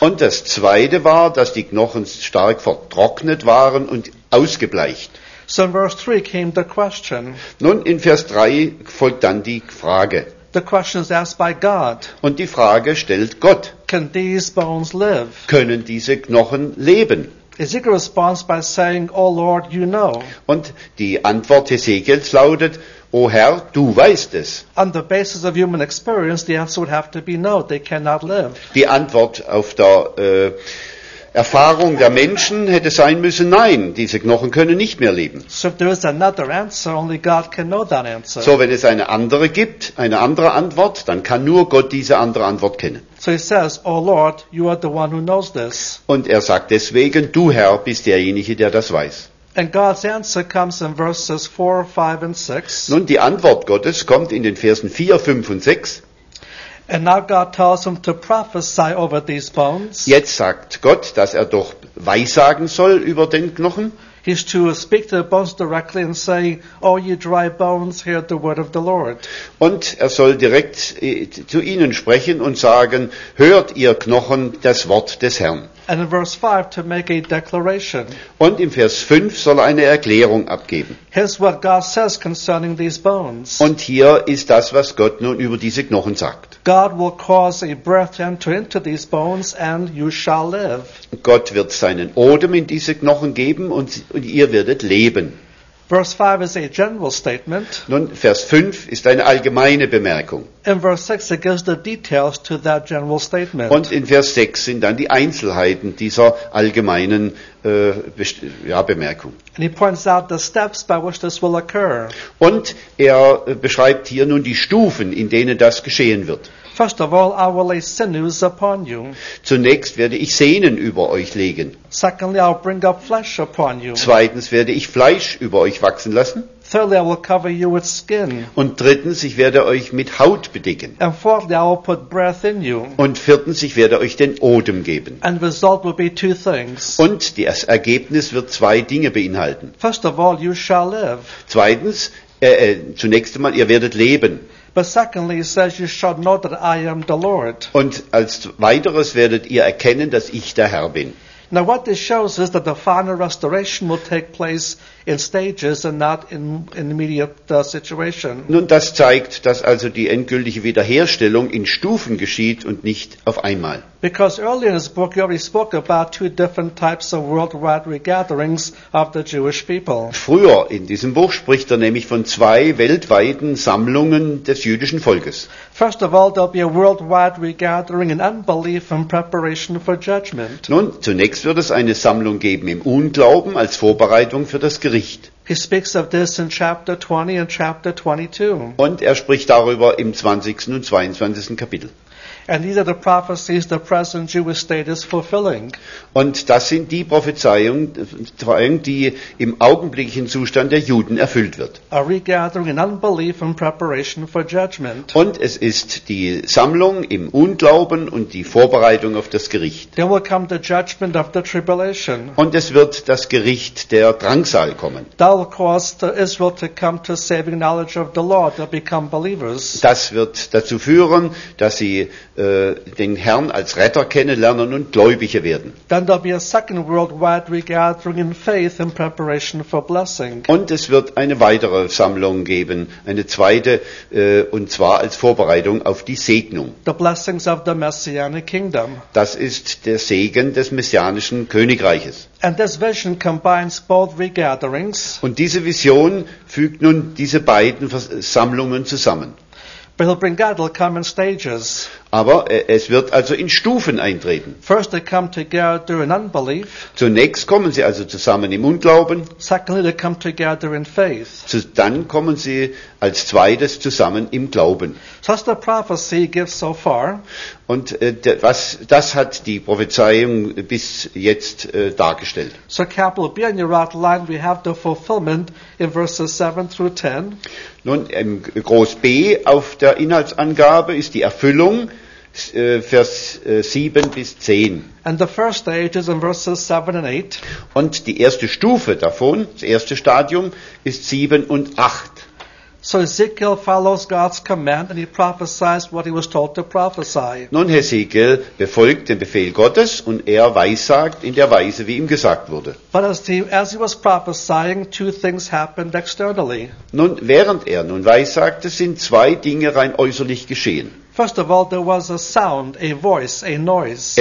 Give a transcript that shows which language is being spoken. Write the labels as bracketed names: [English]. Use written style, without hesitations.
[German] Und das Zweite war, dass die Knochen stark vertrocknet waren und ausgebleicht. [English] So in verse 3 came the question. [German] Nun, in Vers 3 folgt dann die Frage. [English] The question is asked by God. [German] Und die Frage stellt Gott. [English] Can these bones live? [German] Können diese Knochen leben? [English] Ezekiel responds by saying, "O Lord, you know." [German] Und die Antwort Ezekiels lautet, O Herr, du weißt es. [English] On the basis of human experience, the answer would have to be no, they cannot live. [German] Die Antwort auf der Erfahrung der Menschen hätte sein müssen, nein, diese Knochen können nicht mehr leben. [English] So if there is another answer, only God can know that answer. [German] So wenn es eine andere gibt, eine andere Antwort, dann kann nur Gott diese andere Antwort kennen. [English] So he says, O Lord, you are the one who knows this. [German] Und er sagt deswegen, du Herr bist derjenige, der das weiß. [English] And God's answer comes in verses 4, 5 and 6. [German] Nun, die Antwort Gottes kommt in den Versen 4, 5 und 6. [English] And now God tells him to prophesy over these bones. [German] Jetzt sagt Gott, dass er doch weissagen soll über den Knochen. [English] He's to speak to the bones directly and say, O you dry bones, hear the word of the Lord. [German] Und er soll direkt zu ihnen sprechen und sagen, hört ihr Knochen das Wort des Herrn. [English] And in verse 5 to make a declaration. [German] Und im Vers 5 soll er eine Erklärung abgeben. [English] Here's what God says concerning these bones. [German] Und hier ist das, was Gott nun über diese Knochen sagt. [English] God will cause a breath to enter into these bones and you shall live. [German] Gott wird seinen Odem in diese Knochen geben und ihr werdet leben. [English] Verse 5 is a general statement. [German] Nun, Vers 5 ist eine allgemeine Bemerkung. [English] In verse 6 it gives the details to that general statement. [German] Und in Vers 6 sind dann die Einzelheiten dieser allgemeinen Bemerkung. [English] And he points out the steps by which this will occur. [German] Und er beschreibt hier nun die Stufen, in denen das geschehen wird. [English] First of all, I will lay sinews upon you. [German] Zunächst werde ich Sehnen über euch legen. [English] Secondly, I will bring up flesh upon you. [German] Zweitens werde ich Fleisch über euch wachsen lassen. [English] Thirdly, I will cover you with skin. [German] Und drittens, ich werde euch mit Haut bedecken. [English] And fourthly, I will put breath in you. [German] Und viertens, ich werde euch den Odem geben. [English] And the result will be two things. [German] Und das Ergebnis wird zwei Dinge beinhalten. [English] First of all, you shall live. [German] Zweitens, zunächst einmal, ihr werdet leben. [English] But secondly, he says, you shall know that I am the Lord. [German] Und als weiteres werdet ihr erkennen, dass ich der Herr bin. [English] Now what this shows is that the final restoration will take place in stages and not in immediate situation. [German] Nun, das zeigt, dass also die endgültige Wiederherstellung in Stufen geschieht und nicht auf einmal. [English] Because earlier in his book you already spoke about two different types of worldwide regatherings of the Jewish people. [German] Früher in diesem Buch spricht er nämlich von zwei weltweiten Sammlungen des jüdischen Volkes. [English] First of all, there'll be a worldwide regathering in unbelief in preparation for judgment. [German] Nun, zunächst wird es eine Sammlung geben im Unglauben als Vorbereitung für das Gericht. [English] He speaks of this in chapter 20 and chapter 22. [German] Und er spricht darüber im 20. und 22. Kapitel. [English] And these are the prophecies the present Jewish state is fulfilling. [German] Und das sind die Prophezeiungen, die im augenblicklichen Zustand der Juden erfüllt wird. [English] A regathering in unbelief in preparation for judgment. [German] Und es ist die Sammlung im Unglauben und die Vorbereitung auf das Gericht. [English] Then will come the judgment of the tribulation. [German] Und es wird das Gericht der Drangsal kommen. [English] That will cause Israel to come to saving knowledge of the Lord. They'll become believers. [German] Das wird dazu führen, dass sie den Herrn als Retter kennenlernen und Gläubige werden. [English] Then there'll be a second worldwide regathering in faith in preparation for blessing. [German] Und es wird eine weitere Sammlung geben, eine zweite, und zwar als Vorbereitung auf die Segnung. [English] The blessings of the Messianic Kingdom. [German] Das ist der Segen des messianischen Königreiches. [English] And this vision combines both regatherings. [German] Und diese Vision fügt nun diese beiden Sammlungen zusammen. [English] But he'll bring God, he'll come in stages. [German] Aber es wird also in Stufen eintreten. [English] First they come together in unbelief. [German] Zunächst kommen sie also zusammen im Unglauben. [English] Secondly they come together in faith. [German] Dann kommen sie als zweites zusammen im Glauben. [English] So that's the prophecy he gives so far. [German] Und das hat die Prophezeiung bis jetzt dargestellt. [English] So capital B in your outline we have the fulfillment in verses 7 through 10. [German] Nun, im Groß B auf der Inhaltsangabe ist die Erfüllung, Vers 7 bis 10. [English] And the first stage is in verses 7 and 8. [German] Und die erste Stufe davon, das erste Stadium, ist 7 und 8. [English] So Ezekiel follows God's command and he prophesies what he was told to prophesy. [German] Nun, Ezekiel befolgt den Befehl Gottes und er weissagt in der Weise, wie ihm gesagt wurde. [English] But as he was prophesying, two things happened externally. [German] Nun, während er nun weissagte, sind zwei Dinge rein äußerlich geschehen. [English] First of all, there was a sound, a voice, a noise.